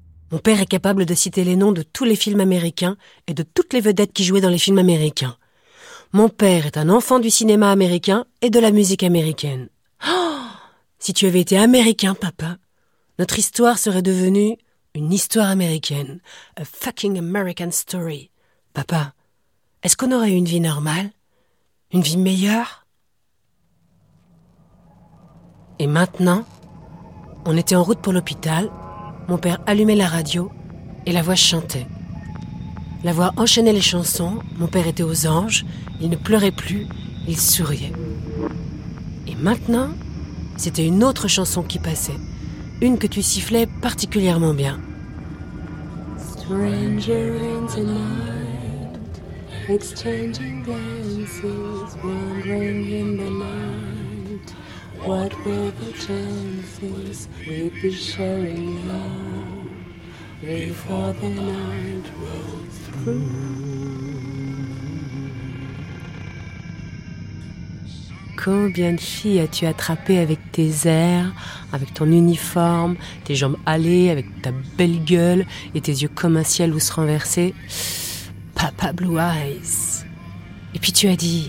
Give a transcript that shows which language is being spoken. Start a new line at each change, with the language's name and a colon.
French: Mon père est capable de citer les noms de tous les films américains et de toutes les vedettes qui jouaient dans les films américains. Mon père est un enfant du cinéma américain et de la musique américaine. Oh ! Si tu avais été américain, papa, notre histoire serait devenue une histoire américaine.
English: A fucking American story.
French: Papa, est-ce qu'on aurait eu une vie normale ? Une vie meilleure ? Et maintenant, on était en route pour l'hôpital, mon père allumait la radio et la voix chantait. La voix enchaînait les chansons, mon père était aux anges, il ne pleurait plus, il souriait. Et maintenant, c'était une autre chanson qui passait, une que tu sifflais particulièrement bien.
English: Stranger in the night. Exchanging glances, wandering in the night. What were the chances we'd be sharing love before the night rolls through?
French: Combien de filles as-tu attrapées avec tes airs, avec ton uniforme, tes jambes hâlées, avec ta belle gueule et tes yeux comme un ciel où se renverser? Papa Blue Eyes. Et puis tu as dit...